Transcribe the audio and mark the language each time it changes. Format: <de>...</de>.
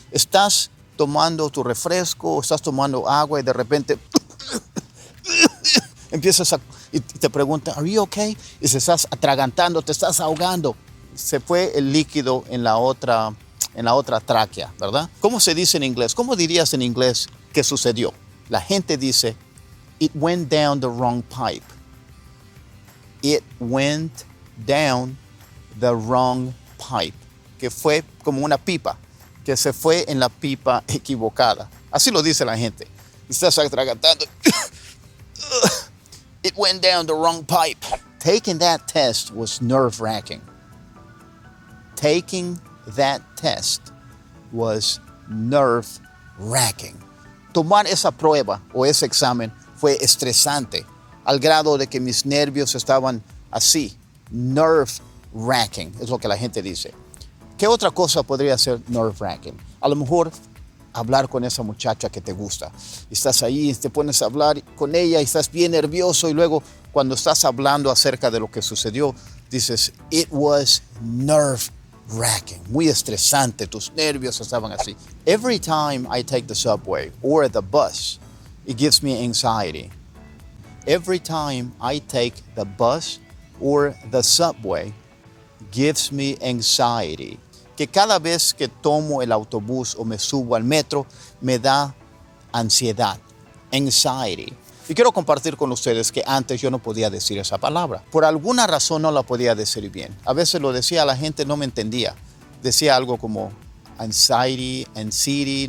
<es>Estás tomando tu refresco, estás tomando agua y de repente empiezas a... Y te preguntan,</es> <en>¿are you okay?</en> <es>Y se estás atragantando, te estás ahogando. Se fue el líquido en la otra tráquea, ¿verdad? ¿Cómo se dice en inglés? ¿Cómo dirías en inglés qué sucedió? La gente dice,</es> <en>it went down the wrong pipe. It went down the wrong pipe.</en> <es>Que fue como una pipa, que se fue en la pipa equivocada. Así lo dice la gente. Estás atragantando.</es> <en>It went down the wrong pipe. Taking that test was nerve-wracking. Taking that test was nerve-wracking.</en> <es>Tomar esa prueba o ese examen fue estresante, al grado de que mis nervios estaban así. Nerve-wracking es lo que la gente dice. ¿Qué otra cosa podría ser nerve-wracking? A lo mejor hablar con esa muchacha que te gusta. Estás ahí, te pones a hablar con ella y estás bien nervioso. Y luego, cuando estás hablando acerca de lo que sucedió, dices,</es> <en>it was nerve-wracking.</en> <es>Muy estresante, tus nervios estaban así.</es> <en>Every time I take the subway or the bus, it gives me anxiety. Every time I take the bus or the subway, gives me anxiety.</en> <es>Que cada vez que tomo el autobús o me subo al metro, me da ansiedad, anxiety. Y quiero compartir con ustedes que antes yo no podía decir esa palabra. Por alguna razón no la podía decir bien. A veces lo decía, la gente no me entendía. Decía algo como anxiety, anxiety.</es>